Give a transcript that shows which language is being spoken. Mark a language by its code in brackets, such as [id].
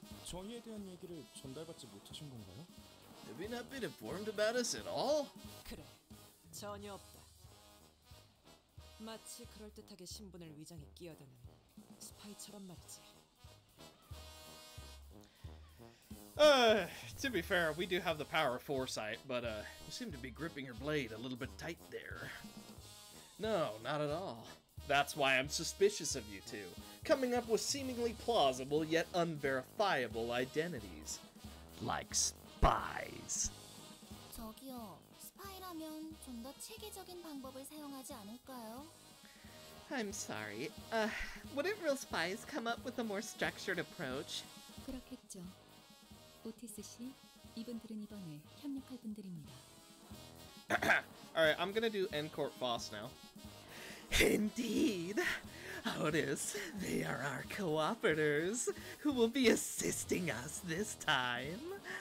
[en] Have you not been informed about us at all? [ko] 그래, 전혀 없다. 마치 그럴 듯하게 신분을 위장에 끼어드는 스파이처럼 말이지. [en] To be fair, we do have the power of foresight, but you seem to be gripping your blade a little bit tight there. No, not at all. That's why I'm suspicious of you two, coming up with seemingly plausible yet unverifiable identities. Like spies. [ko] 저기요, 스파이라면 좀 더 체계적인 방법을 사용하지 않을까요? [en] I'm sorry. Wouldn't real spies come up with a more structured approach? [ko] 그렇겠죠. 오티스 씨, 이분들은 이번에 협력할 분들입니다. [en] Alright, I'm gonna do N-Corp boss now. Indeed! Otis, they are our co-operators, who will be assisting us this time.